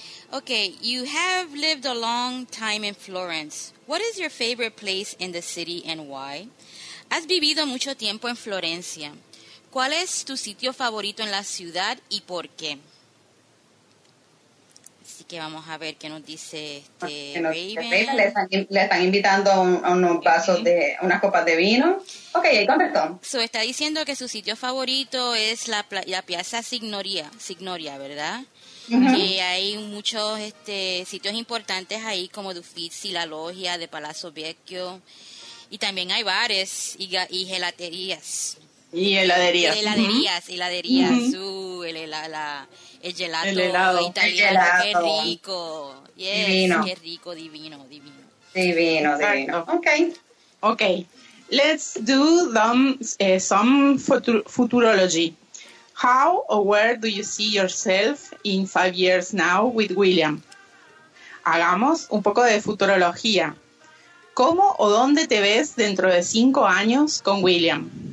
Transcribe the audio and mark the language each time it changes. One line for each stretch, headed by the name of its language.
English: Okay, you have lived a long time in Florence. What is your favorite place in the city and why?
Spanish: Has vivido mucho tiempo en Florencia. ¿Cuál es tu sitio favorito en la ciudad y por qué? Así que vamos a ver qué nos dice Raven. Le están invitando unas copas de vino. Ok, ahí contestó. So está diciendo que su sitio favorito es la Piazza Signoria, ¿verdad? Uh-huh. Y hay muchos sitios importantes ahí, como Uffizi, la Logia, de Palazzo Vecchio. Y también hay bares y gelaterías. Y heladerías. Heladerías. El gelato italiano, el gelato. Qué rico. Yes, divino. Qué rico, divino. Divino, exacto. Okay.
English: Let's do some futurology. How or where do you see yourself in 5 years now with William?
Spanish: Hagamos un poco de futurología. ¿Cómo o dónde te ves dentro de 5 años con William?